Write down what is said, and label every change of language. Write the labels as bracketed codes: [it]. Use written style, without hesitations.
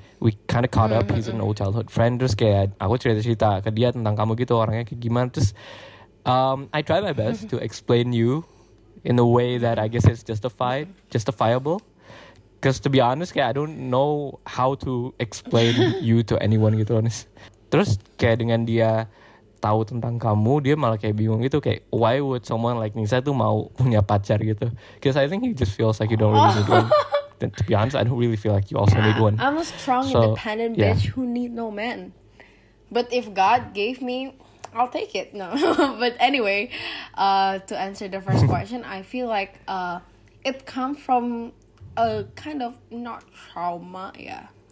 [en] We kind of caught up. He's an old childhood friend. [id] Terus kayak aku cerita ke dia tentang kamu gitu, orangnya kayak gimana. Terus [en] I try my best to explain you in a way that I guess is justifiable. Because to be honest, kayak I don't know how to explain you to anyone gitu. Honest. [id] Terus kayak dengan dia tahu tentang kamu, dia malah kayak bingung gitu. Kayak [en] why would someone like [id] Nisa tuh mau punya pacar gitu? [en] Because I think he just feels like you don't really need one. Then, to be honest, I don't really feel like you also need one. I'm a strong, independent bitch who need no man. But if God gave me, I'll take it. No. But anyway, to answer the first question, I feel like it comes from a kind of, not trauma, yeah.